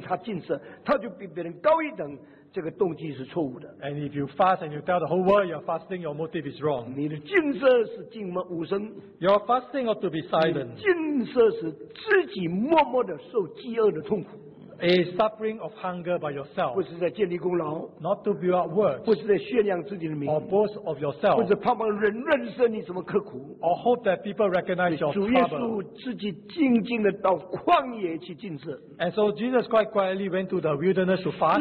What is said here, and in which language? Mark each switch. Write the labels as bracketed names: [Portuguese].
[Chinese] 如果一个人禁食，然后在面上这里写禁，这里讲食，到处大家看见他禁食，他就比别人高一等。这个动机是错误的。 [English] And if you fast and you tell the whole world you're fasting, your motive is wrong. [Chinese] 你的禁食是静默无声。 [English] Your fasting ought to be silent. [Chinese] 禁食是自己默默地受饥饿的痛苦。 [English] A suffering of hunger by yourself. [Chinese] 不是在建立功劳。 [English] Not to build up works. [Chinese] 不是在炫耀自己的名。 [English] Or boast of yourself. [Chinese] 不是盼望人认识你什么刻苦。 [English] Or hope that people recognize your trouble. [Chinese] 主耶稣自己静静地到旷野去禁食。 [English] And so Jesus quite quietly went to the wilderness to fast.